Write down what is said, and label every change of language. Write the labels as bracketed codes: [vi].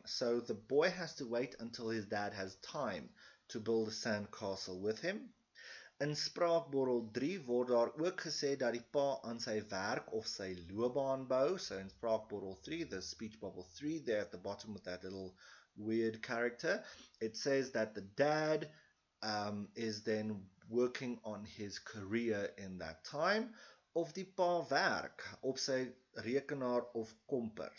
[en] So the boy has to wait until his dad has time to build a sand castle with him. [af] In spraakborrel 3 word daar ook gesê dat die pa aan sy werk of sy loopbaan bou. [en] So in spraakborrel 3, the speech bubble 3 there at the bottom with that little weird character, it says that the dad is then working on his career in that time, [af] of die pa werk op sy rekenaar of komper.